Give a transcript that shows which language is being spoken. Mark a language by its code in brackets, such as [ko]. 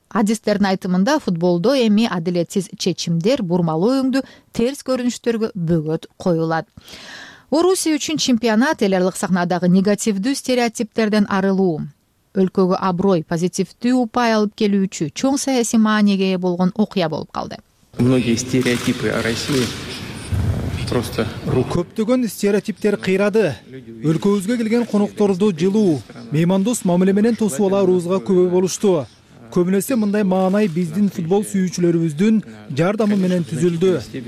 [ky] Адистердин айтымында футболдо эми адилетсиз чечимдер бурмалоо өңдү терс көрүнүштөргө бөгөт коюлат. Орусия үчүн чемпионат эл аралык сахнадагы негативдүү стереотиптерден арылуу, өлкөгө аброй, позитивдүү упай алып келүүчү чоң саясий мааниге ээ болгон окуя болуп калды. [ru] Многие стереотипы о России просто рухнули. [ky] Көптөгөн стереотиптер кыйрады. Өлкөбүзгө келген конокторду жылуу, меймандос мамиле менен тосуп алууга көбө болушту. Көбүнесе мындай маанай биздин футбол сүйүүчүлөрүбүздүн жардамы менен түзүлдү.